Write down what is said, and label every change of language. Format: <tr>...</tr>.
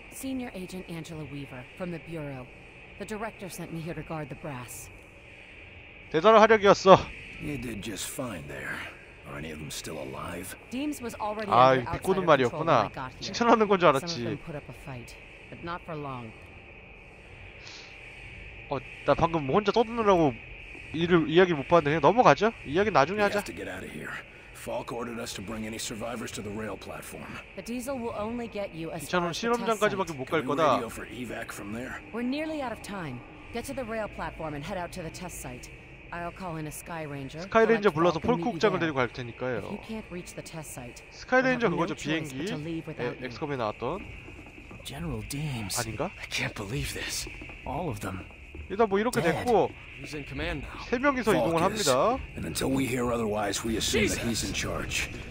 <en>Senior Agent Angela Weaver from the bureau. The director sent me here to guard the brass.</en> <ko>대단한 활약이었어.</ko> <en>You did just fine there. Are any of them still alive? Deems was already under outside control when I got here.</en> <ko>칭찬하는 건 줄 알았지.</ko> <en>Some of them put up a fight, but not for long.</en> <ko>나 방금 혼자 떠드느라고 이야기 못 봤는데 그냥 넘어가죠. 이야기 나중에 하자.</ko> <en>We have to get out of here. Falk ordered us to bring any survivors to the rail platform. The diesel will only get you as far as the test site. Can we radio for evac from there? We're nearly out of time. Get to the rail platform and head out to the test site. I'll call in a Sky Ranger. Sky Ranger</en> <ko>불러서 폴크국장을 데리고 갈 테니까요.</ko> <en>You can't reach the test site. Sky Ranger</en> <ko>그거죠, 비행기. 엑스컴에 나왔던.</ko> <en>General Deems.</en> <ko>아닌가?</ko> <en>I can't believe this. All of them.</en> <ko>일단 뭐 이렇게 됐고 세 명이서 이동을 합니다.</ko> <en>And until we hear otherwise, we assume that he's in charge.</en>